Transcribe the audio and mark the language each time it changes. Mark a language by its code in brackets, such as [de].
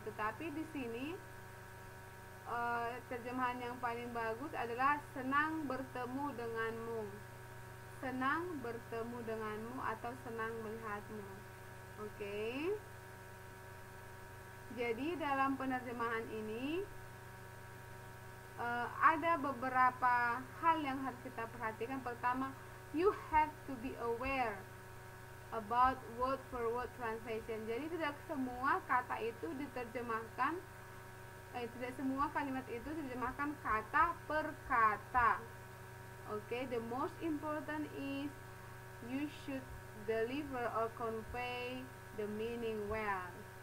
[id] Tetapi di sini terjemahan yang paling bagus adalah senang bertemu denganmu. Senang bertemu denganmu atau senang melihatmu. Okay. Jadi dalam penerjemahan ini ada beberapa hal yang harus kita perhatikan. Pertama, [en] you have to be aware about word for word translation. [id] Jadi tidak semua kata itu diterjemahkan, tidak semua kalimat itu diterjemahkan kata per kata. [en] Okay, the most important is you should deliver or convey the meaning well.